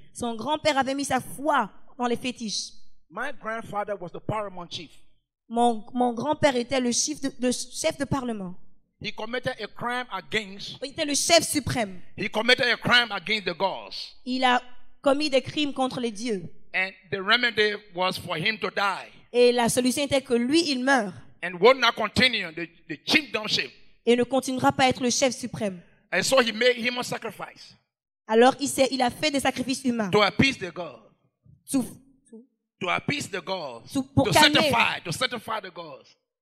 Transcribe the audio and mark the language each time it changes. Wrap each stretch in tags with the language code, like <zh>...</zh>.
<fr>Son grand-père avait mis sa foi dans les fétiches.</fr> <en>My grandfather was the paramount chief.</en> <fr>Mon grand-père était le chef de parlement.</fr> <en>He committed a crime against.</en> <fr>Il était le chef suprême.</fr> <en>He committed a crime against the gods.</en> <fr>Il a commis des crimes contre les dieux.</fr> <en>And the remedy was for him to die.</en> <fr>Et la solution était que lui, il meure.</fr> <en>And would not continue the chiefdomship.</en> <fr>Et ne continuera pas à être le chef suprême.</fr> <en>And so he made him a sacrifice.</en> <fr>Alors il a fait des sacrifices humains.</fr> <en>To appease the God. To appease the God. To satisfy the gods.</en>